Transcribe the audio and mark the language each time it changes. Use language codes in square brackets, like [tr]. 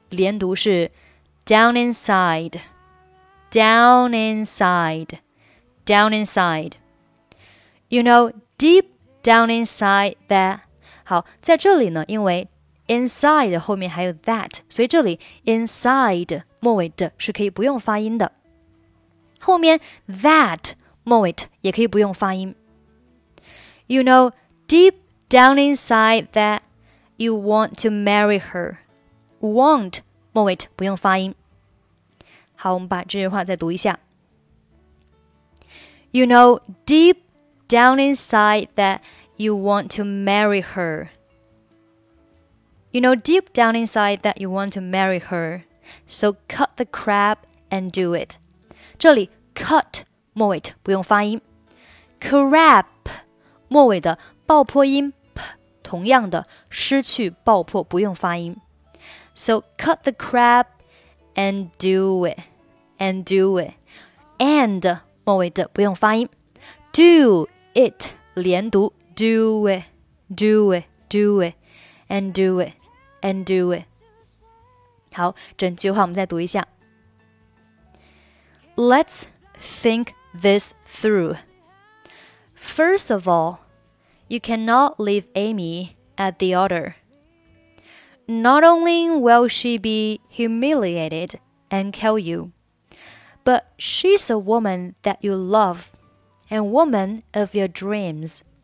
[zh] 连读是 [en] down inside. You know, deep down inside that. [zh] 好，在这里呢，因为 inside 后面还有 that， 所以这里 inside 末尾的是可以不用发音的。后面 that 末尾也可以不用发音。 [en] You know, deep down inside that you want to marry her. [zh] Want, 末尾不用发音。好，我们把这句话再读一下。 [en] You know, deep down inside that you want to marry her. You know, deep down inside that you want to marry her. So cut the crap and do it. [zh] 这里 cut, 末尾不用发音。 [en] Crap, [zh] 末尾的爆破音 p 同样的失去爆破，不用发音。 [en] So cut the crap and do it, and do it, and [zh] 末尾的不用发音。 [en] Do it [zh] 连读 [en] ，do it, do it, do it, and do it, and do it。 [zh] 好，整句话我们再读一下。 [en] Let's think this through. First of all, you cannot leave Amy at the altar. Not only will she be humiliated and kill you, but she's a woman that you love and woman of your dreams.